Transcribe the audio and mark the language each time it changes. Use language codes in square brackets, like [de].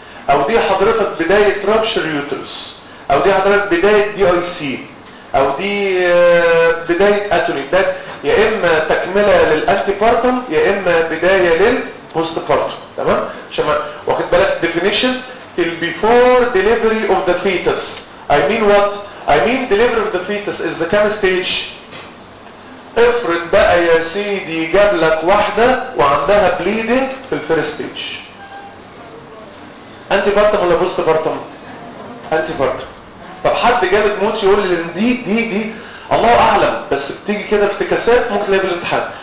[ar] أو دي حضرتك بداية rupture uterus، أو دي حضرتك بداية DIC، أو دي بداية atony، ده يا إما تكملة للأنتيبارتم يا إما بداية للبوستبارتم، تمام؟ عشان واخد بالك [en] definition till before delivery of the fetus. I mean what? I mean delivery of the fetus is the coming stage. [ar] افرض بقى يا سيدي جاب لك واحدة وعندها bleeding في ال first stage. انتي بارتم ولا بوست بارتم؟ انتي بارتم. طب حد جابت موت يقول لي دي الله اعلم بس بتيجي كده افتكاسات ممكن تلاقي بالامتحان.